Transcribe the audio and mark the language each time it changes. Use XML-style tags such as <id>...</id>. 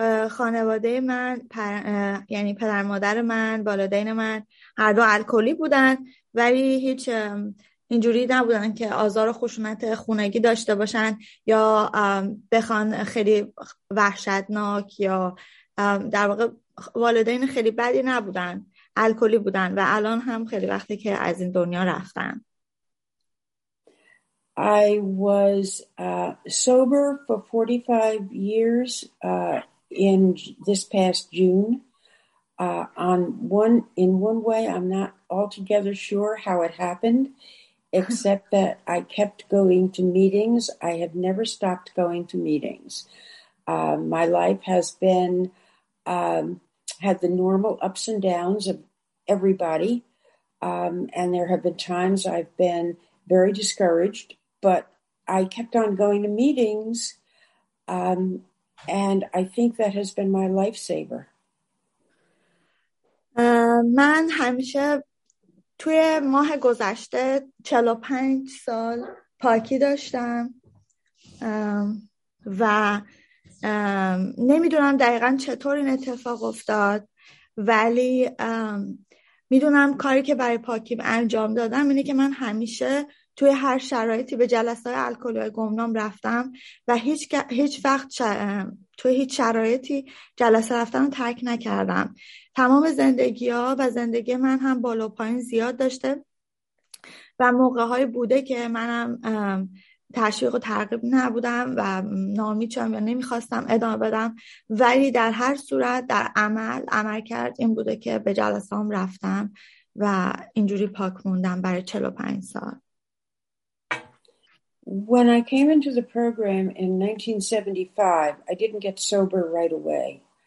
<fa>خانواده من یعنی پدر مادر من، والدین من هر دو الکلی بودن، ولی هیچ اینجوری نبودن که آزار و خشونت خونگی داشته باشن یا بخوان خیلی وحشتناک، یا در واقع والدین خیلی بدی نبودن، الکلی بودن و الان هم خیلی وقتی که از این دنیا رفتن.</fa> <en>I was sober for 45 years in this past June. In one way I'm not altogether sure how it happened, except that I kept going to meetings. I have never stopped going to meetings. My life has been, had the normal ups and downs of everybody. And there have been times I've been very discouraged, but I kept on going to meetings, and I think that has been my lifesaver.</en> <fa>من همیشه توی ماه گذشته 45 سال پاکی داشتم و نمیدونم دقیقا چطور این اتفاق افتاد، ولی میدونم کاری که برای پاکی انجام دادم اینه که من همیشه توی هر شرایطی به جلسه های الکلی های گمنام رفتم و هیچ وقت توی هیچ شرایطی جلسه رفتن رو ترک نکردم. تمام زندگی ها و زندگی من هم بالا و پایین زیاد داشته و موقع های بوده که منم تشویق و ترغیب نبودم و ناامید شدم یا نمیخواستم ادامه بدم، ولی در هر صورت در عمل کرد این بوده که به جلسه هم رفتم و اینجوری پاک موندم برای 45 سال.</fa> <en>When I came into the program in 1975, I didn't get sober right away.</en>